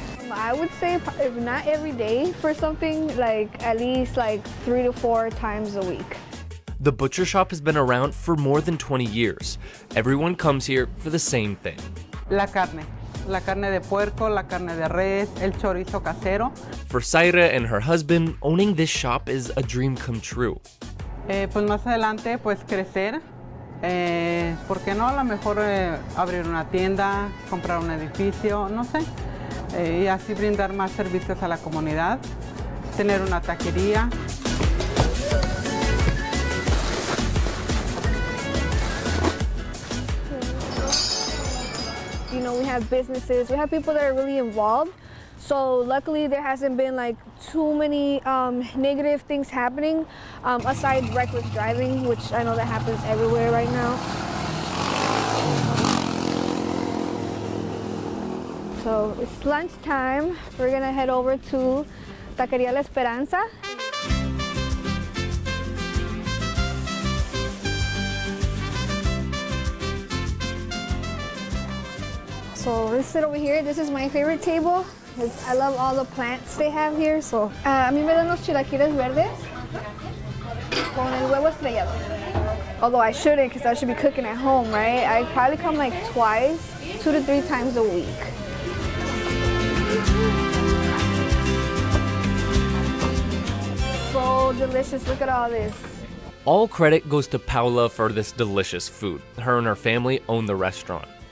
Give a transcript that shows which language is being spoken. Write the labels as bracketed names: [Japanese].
[English] I would say if not every day for something, like at least like 3 to 4 times a week. The butcher shop has been around for more than 20 years. Everyone comes here for the same thing. [Spanish] La carne de puerco, la carne de res, el chorizo casero. For Zaira and her husband, owning this shop is a dream come true. Pues más adelante, pues crecer. ¿Por qué no? A lo mejor abrir una tienda, comprar un edificio, no sé. Y así brindar más servicios a la comunidad, tener una taquería. [English] You know, we have businesses, we have people that are really involved. So luckily there hasn't been like too many negative things happening, aside reckless driving, which I know that happens everywhere right now. So it's lunchtime. We're gonna head over to Taqueria La Esperanza. So let's sit over here. This is my favorite table. because I love all the plants they have here. [Spanish] So, a mí me dan los chilaquiles verdes con el huevo estrellado. [English] Although I shouldn't, because I should be cooking at home, right? I probably come like twice, 2 to 3 times a week. So delicious, look at all this. All credit goes to Paula for this delicious food. Her and her family own the restaurant.